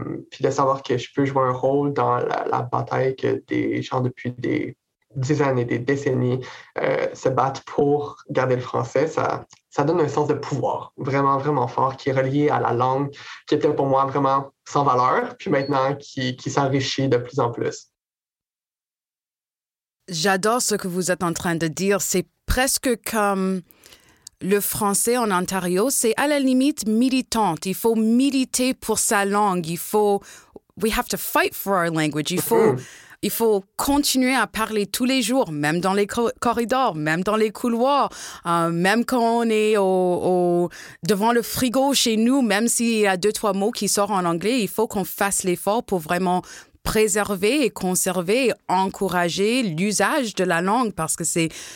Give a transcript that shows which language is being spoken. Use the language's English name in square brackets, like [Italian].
[French] Puis de savoir que je peux jouer un rôle dans la bataille que des gens depuis des dizaines et des décennies se battent pour garder le français, ça donne un sens de pouvoir vraiment, vraiment fort qui est relié à la langue qui était pour moi vraiment sans valeur, puis maintenant qui s'enrichit de plus en plus. J'adore ce que vous êtes en train de dire. C'est presque comme le français en Ontario, c'est à la limite militante. Il faut militer pour sa langue. Il faut, [English] we have to fight for our language. [French] Il faut continuer à parler tous les jours, même dans les corridors, même dans les couloirs, même quand on est devant le frigo chez nous, même s'il y a deux, trois mots qui sortent en anglais, il faut qu'on fasse l'effort pour vraiment préserver et conserver, encourager l'usage de la langue, parce que c'est